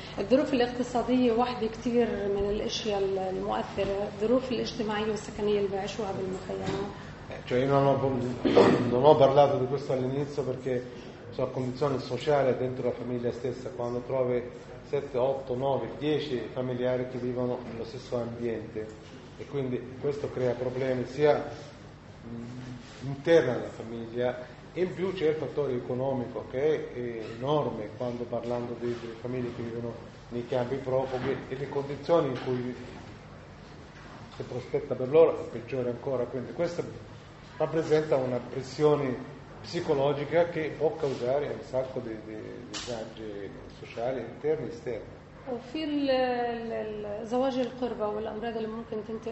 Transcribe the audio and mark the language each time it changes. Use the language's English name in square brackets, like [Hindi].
[Arabic] الظروف الاقتصادية واحدة كتير من الأشياء المؤثرة، الظروف الاجتماعية والسكنية اللي بيعيشوها بالمخيمات. [Italian] Cioè io non ho parlato di questo all'inizio perché sono condizioni sociali dentro la famiglia stessa, quando trovi 7, 8, 9, 10 familiari che vivono nello stesso ambiente, e quindi questo crea problemi sia interna alla famiglia, in più c'è il fattore economico che è enorme, quando parlando di famiglie che vivono nei campi profughi e le condizioni in cui che prospetta per loro è peggiore ancora, quindi questa rappresenta una pressione psicologica che può causare un sacco di disagi sociali interni e esterni. [Arabic] وفي الزواج القربة والأمراض اللي ممكن تنتقل.